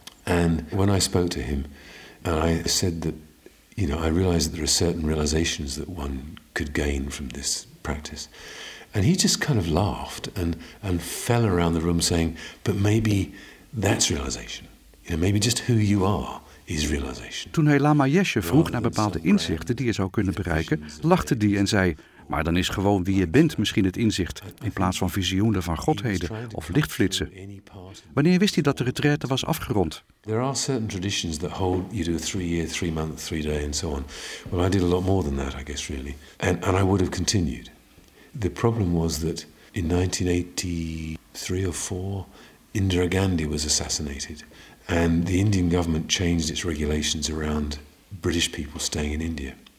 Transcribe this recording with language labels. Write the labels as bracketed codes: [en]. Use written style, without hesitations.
[en] And when I spoke to him, and I said that, you know, I realized that there are certain realizations that one could gain from this practice. And he just kind of laughed and fell around the room saying, but maybe that's realization. You know, maybe just who you are is realization. [nl] Toen hij Lama Yeshe vroeg naar bepaalde inzichten die je zou kunnen bereiken, lachte die en zei, maar dan is gewoon wie je bent misschien het inzicht, in plaats van visioenen van godheden of lichtflitsen. Wanneer wist hij dat de retraite was afgerond? [en] There are certain traditions that hold you do a 3-year, 3-month, 3-day and so on. Well, I did a lot more than that, I guess, really. And I would have continued. The problem was that in 1983 or 4, Indira Gandhi was assassinated. And the Indian government changed its regulations around British people staying in India.